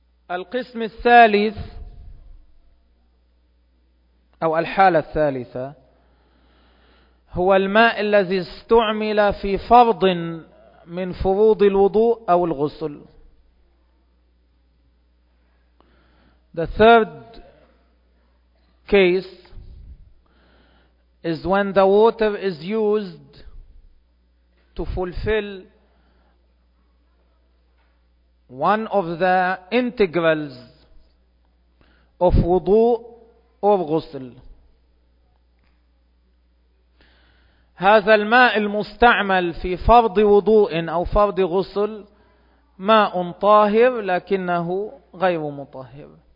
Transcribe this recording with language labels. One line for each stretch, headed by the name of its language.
Arabic: القسم الثالث أو الحالة الثالثة هو الماء الذي استعمل في فرض من فروض الوضوء أو الغسل.
English: The third case is when the water is used to fulfill one of the integrals of wudu or ghusl.
Arabic: هذا الماء المستعمل في فرض وضوء أو فرض غسل ماء طاهر لكنه غير مطهر.